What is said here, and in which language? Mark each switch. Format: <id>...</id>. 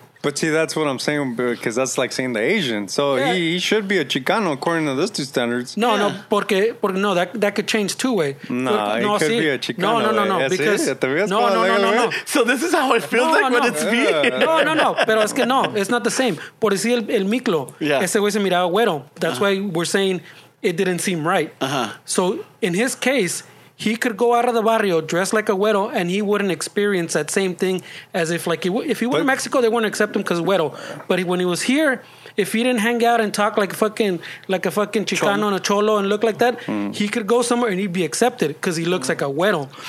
<en>But see, that's what I'm saying, because that's like saying the Asian. So yeah, he should be a Chicano according to those two standards. No, yeah. No, that could change two way. Nah, no, he could see, be a Chicano. No, because no. So this is how it feels when it's me.</en> <es>No. Pero es que no,</es> <en>it's not the same.</en> <es>Por decir el Miklo, ese güey se miraba güero.</es> <en>That's why we're saying it didn't seem right. So in his case, he could go out of the barrio dressed like a güero, and he wouldn't experience that same thing as if, like, if he went to Mexico, they wouldn't accept him because güero. But when he was here, if he didn't hang out and talk like a fucking Chicano and a cholo and look like that, he could go somewhere and he'd be accepted because he looks like a güero.</en>